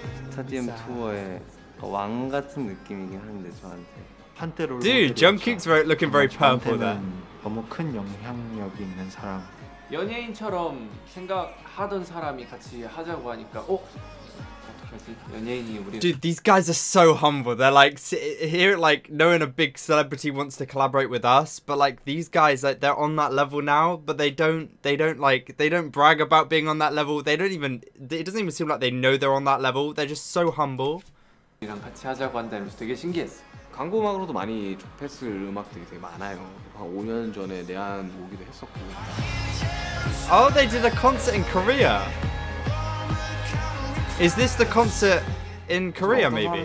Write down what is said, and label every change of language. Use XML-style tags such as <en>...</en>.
<ko>스타디움 투어의 왕 같은 느낌이긴 한데 저한테.</ko> <en>Dude, Jungkook's looking very purple there.</en> <ko>너무 큰 영향력이 있는 사람. 연예인처럼 생각하던 사람이 같이 하자고 하니까 어?</ko> <en>Dude, these guys are so humble. They're like, here, like, knowing a big celebrity wants to collaborate with us, but like, these guys, like, they're on that level now, but they don't brag about being on that level. They don't even, it doesn't even seem like they know they're on that level. They're just so humble.</en> <ko>이랑 같이 하자고 한다면서 되게 신기했어. 광고 음악으로도 많이 접했을 음악들이 되게 많아요. 한 5년 전에 내한 오기도 했었고.</ko> <en>Oh, they did a concert in Korea. Is this the concert in Korea, maybe?</en>